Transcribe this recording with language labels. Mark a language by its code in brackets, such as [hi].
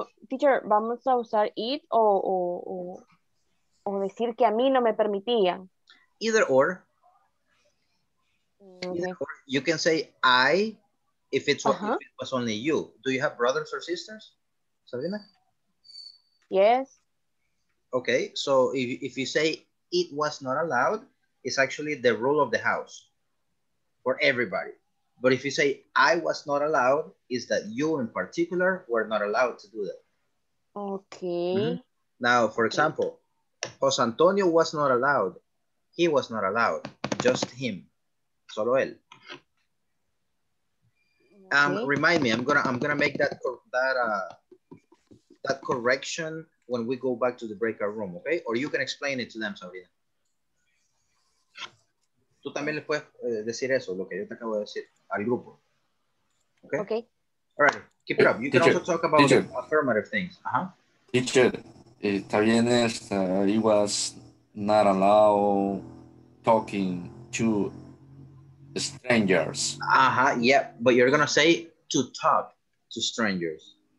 [es] Teacher, ¿vamos a usar it o decir que a mí no me permitían? [en] Either or. Okay. You can say I if it's what, uh-huh. If it was only you. Do you have brothers or sisters, Sabina? Yes. Okay, so if you say it was not allowed, it's actually the rule of the house for everybody. But if you say I was not allowed, is that you in particular were not allowed to do that. Okay. Mm-hmm. Now, for example, Jose Antonio was not allowed. He was not allowed, just him. [es] Solo él. [en] Okay. Remind me, I'm gonna make that correction when we go back to the breakout room, okay? Or you can explain it to them, Sabrina. [es] Tú también le puedes decir eso, lo que yo te acabo de decir al grupo. Okay. Okay. [en] All right, keep it up. You teacher, can also talk about teacher, the affirmative things. Uh-huh. Teacher, [es] también es, [en] he was not allowed talking to strangers. Uh-huh, yeah, but you're gonna say to talk to strangers.